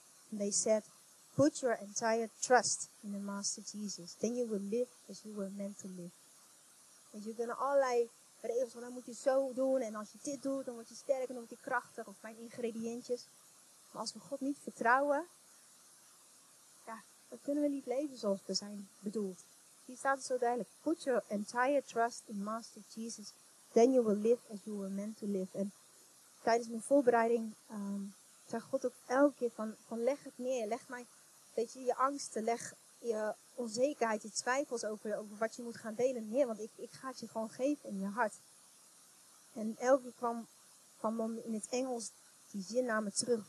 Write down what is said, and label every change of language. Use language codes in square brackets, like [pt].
[en] And they said, put your entire trust in the Master Jesus. Then you will live as you were meant to live. [nl] Want je kunt allerlei regels, van dan moet je zo doen. En als je dit doet, dan word je sterk en dan word je krachtig. Of mijn ingrediëntjes. Maar als we God niet vertrouwen, ja, dan kunnen we niet leven zoals we zijn bedoeld. Hier staat het zo duidelijk. [en] Put your entire trust in Master Jesus. Then you will live as you were meant to live. [nl] En tijdens mijn voorbereiding zeg God ook elke keer van leg het neer. Leg mij, weet je, je angsten, leg je onzekerheid, je twijfels over wat je moet gaan delen neer. Want ik ga het je gewoon geven in je hart. En elke keer kwam dan in het Engels die zin naar me terug.